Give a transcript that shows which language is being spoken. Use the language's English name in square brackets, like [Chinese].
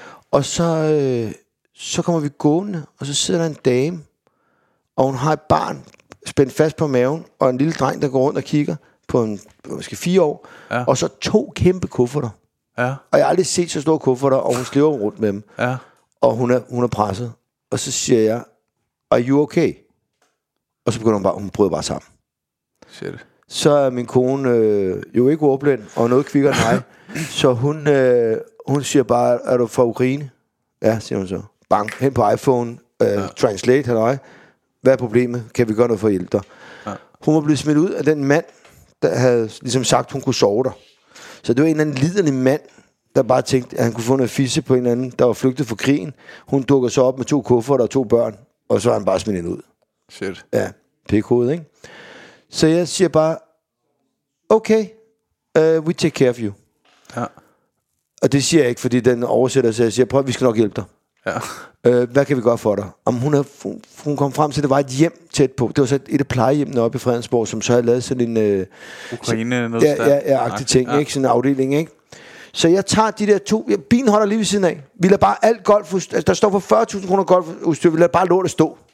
[Danish] Og så kommer vi gående, og så sidder der en dame, og hun har et barn spændt fast på maven, og en lille dreng, der går rundt og kigger på en, måske 4 år, og så 2 kæmpe kufferter. Ja. Og jeg har aldrig set så store kufferter, og hun slæver rundt med dem. Ja. Og hun er presset. Og så siger jeg, [English] are you okay? [Danish] Og så begynder hun bare sammen. Shit. Så er min kone jo ikke ordblind, og noget kvikker nej. Så hun siger bare, er du fra Ukraine? Ja, siger hun så. Bang, hen på iPhone, translate, halløj. Hvad er problemet? Kan vi gøre noget for at hjælpe dig? Ja. Hun var blevet smidt ud af den mand, der havde ligesom sagt, hun kunne sove der. Så det var en eller anden liderlig mand, der bare tænkte, at han kunne få noget fisse på en eller anden, der var flygtet fra krigen. Hun dukker så op med 2 kufferter og 2 børn, og så var han bare smidt ind ud. Shit. Ja, pikhoved, ikke? Så jeg siger bare, [English] okay, we take care of you. [Danish] Ja. Og det siger jeg ikke, fordi den oversætter, så jeg siger, prøv, vi skal nok hjælpe dig. Ja. Hvad kan vi gøre for dig? Om hun kom frem til, at det var et hjem tæt på. Det var så et af plejehjemene oppe i Fredensborg, som så havde lavet sådan en Ukraine så, noget agtig ting, ja. Ikke? Sådan en afdeling, ikke? Så jeg tager de der 2. Bilen holder lige ved siden af. Vi lader bare alt golf, altså, der står for 40.000 kroner golfudstyr. Vi lader bare lortet stå.